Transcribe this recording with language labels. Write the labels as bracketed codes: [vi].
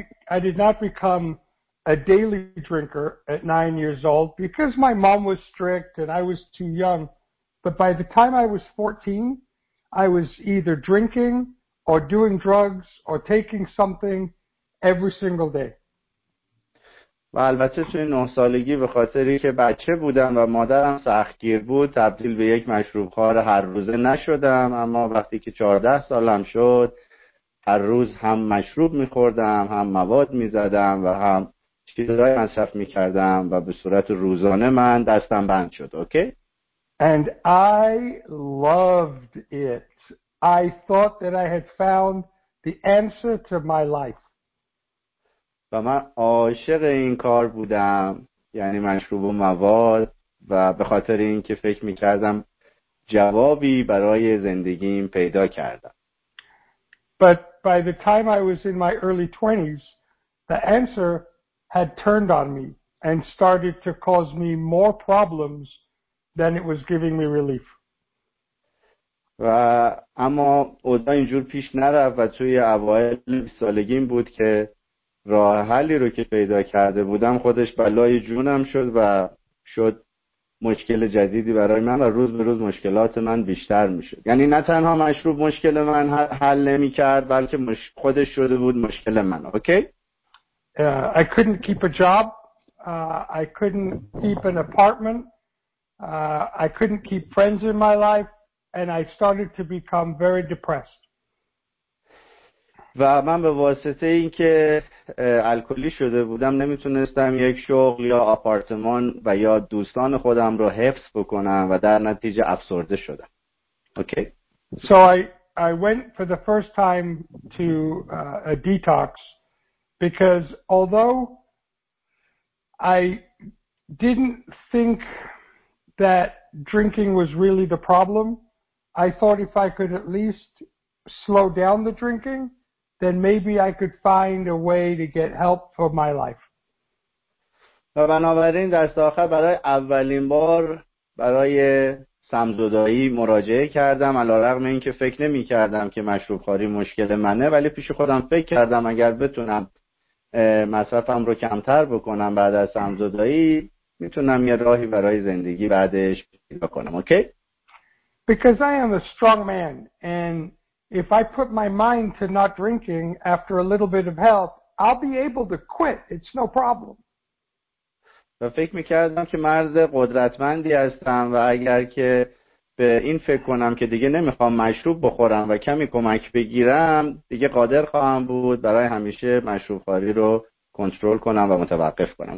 [en] I did not become a daily drinker at 9 years old because my mom was strict and I was too young. But by the time I was 14, I was either drinking or doing drugs or taking something every single day. [fa] و البته توی 9 سالگی به خاطری که بچه بودم و مادرم سختگیر بود تبدیل به یک مشروبخوار هر روزه نشدم، اما وقتی که 14 سالم شد هر روز هم مشروب می‌خوردم، هم مواد می‌زدم و هم چیزهای مصرف می‌کردم و به صورت روزانه من دستم بند شد. اوکی؟ [en] And I loved it. I thought that I had found the answer to my life. [fa] و من عاشق این کار بودم، یعنی مشروب و مواد، و به خاطر این که فکر می‌کردم جوابی برای زندگیم پیدا کردم. [en] But by the time I was in my early 20s, the answer had turned on me and started to cause me more problems than it was giving me relief. [fa] و اما اوضاع اینجور پیش نرفت و توی اوایل 20 سالگیم بود که راه حلی رو که پیدا کرده بودم خودش بلای جونم شد و شد مشکل جدیدی برای من و روز به روز مشکلات من بیشتر می شد. یعنی نه تنها مشروب مشکل من حل نمی کرد بلکه خودش شده بود مشکل من. اوکی؟ [en] I couldn't keep a job. I couldn't keep an apartment. I couldn't keep friends in my life. And I started to become very depressed. [fa] و من به واسطه این که الکلی شده بودم نمیتونستم یک شغل یا آپارتمان و یا دوستان خودم رو حفظ بکنم و در نتیجه افسرده شدم. اوکی. [en] So I went for the first time to a detox because although I didn't think that drinking was really the problem, I thought if I could at least slow down the drinking, then maybe I could find a way to get help for my life. [fa] و بنابراین دست آخر برای اولین بار برای سمزدایی مراجعه کردم، علی‌رغم اینکه فکر نمی‌کردم که مشروب‌خواری مشکل منه، ولی پیش خودم فکر کردم اگر بتونم مصرفم رو کمتر بکنم بعد از سمزدایی، میتونم یه راهی برای زندگی بعدش پیدا کنم. اوکی؟ [en] Because I am a strong man and if I put my mind to not drinking after a little bit of help, I'll be able to quit. It's no problem. [fa] و فکر می‌کردم که مرد قدرتمندی هستم و اگر که به این فکر کنم که دیگه نمی‌خوام مشروب بخورم و کمی کمک بگیرم، دیگه قادر خواهم بود برای همیشه مشروب‌خواری رو کنترل کنم و متوقف کنم.